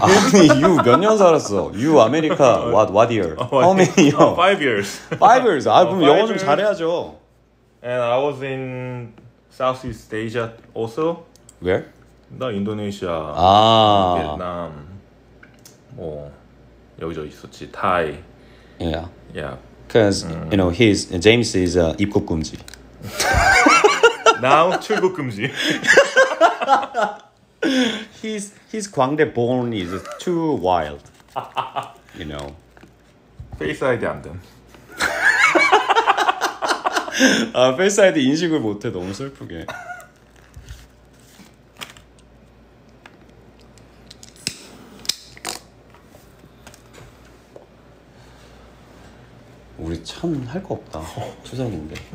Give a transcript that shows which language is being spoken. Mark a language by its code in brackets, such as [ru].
[ko] 아니, you 몇 년 살았어? [en] You America what year? How many years? 5 years. 5 years. [ko] 아, 그럼 영어 좀 잘해야죠. [en] And I was in Southeast Asia also. Where? No, Indonesia. 아. [ko] Vietnam. 뭐 여기저기 있었지. Thai. [en] Yeah. Yeah. Cuz you know, he's James is [ko] 입국 금지. Now 출국 금지. His 광대 born is too wild, you know. Face ID 안 돼. 아, Face ID 인식을 못해 너무 슬프게. 우리 참 할 거 없다. 초장인데.